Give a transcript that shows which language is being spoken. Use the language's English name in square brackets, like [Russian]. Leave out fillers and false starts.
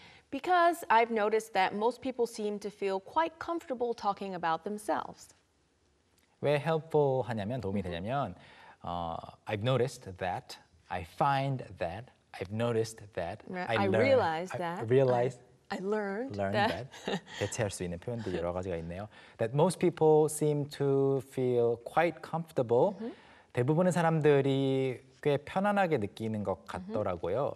[English] Because I've noticed that most people seem to feel quite comfortable talking about themselves. [Korean] 왜 helpful 하냐면 도움이 mm-hmm. 되냐면 [English] I've noticed that, I find that, I've noticed that, I learned, realized that, I learned that. [Korean] 대체할 수 있는 표현도 여러 가지가 있네요. [English] That most people seem to feel quite comfortable. Mm-hmm. [Korean] 대부분의 사람들이 꽤 편안하게 느끼는 것 같더라고요.